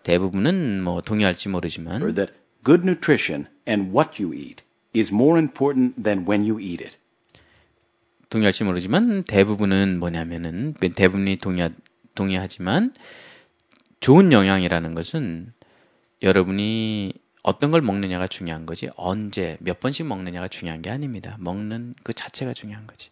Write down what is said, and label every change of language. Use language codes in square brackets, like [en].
[ko] 대부분은 뭐 동의할지 모르지만 [en] that good nutrition and what you eat is more important than when you eat it. [ko] 동의할지 모르지만 대부분은 뭐냐면은 대부분이 동의하지만 좋은 영양이라는 것은 여러분이 어떤 걸 먹느냐가 중요한 거지 언제 몇 번씩 먹느냐가 중요한 게 아닙니다. 먹는 그 자체가 중요한 거지.